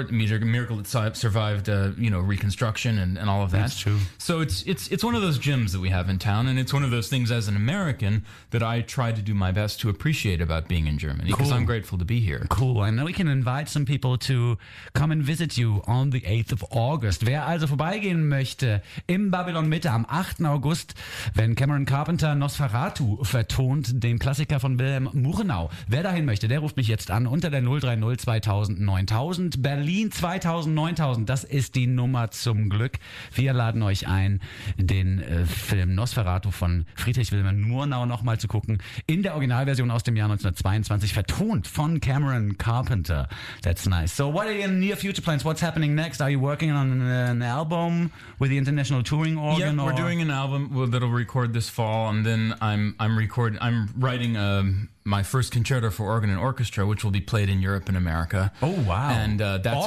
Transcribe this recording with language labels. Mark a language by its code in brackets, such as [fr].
[en] It's a miracle it survived Reconstruction and all of that. That's true. So it's one of those gems that we have. have in town. And it's one of those things as an American that I try to do my best to appreciate about being in Germany, because I'm grateful to be here. Cool. And then we can invite some people to come and visit you on the 8th of August. [de] Wer also vorbeigehen möchte im Babylon Mitte am 8. August, wenn Cameron Carpenter Nosferatu vertont, den Klassiker von Wilhelm Murnau. Wer dahin möchte, der ruft mich jetzt an unter der 030 2000 9000. Berlin 2000 9000. Das ist die Nummer zum Glück. Wir laden euch ein, den Film Nosferatu von Friedrich Wilhelm Murnau nochmal zu gucken. In der Originalversion aus dem Jahr 1922, vertont von Cameron Carpenter. [en] That's nice. So what are your near future plans? What's happening next? Are you working on an album with the International Touring Organ? Yeah, we're doing an album that'll record this fall, and then I'm writing my first concerto for organ and orchestra, which will be played in Europe and America. Oh wow! And that's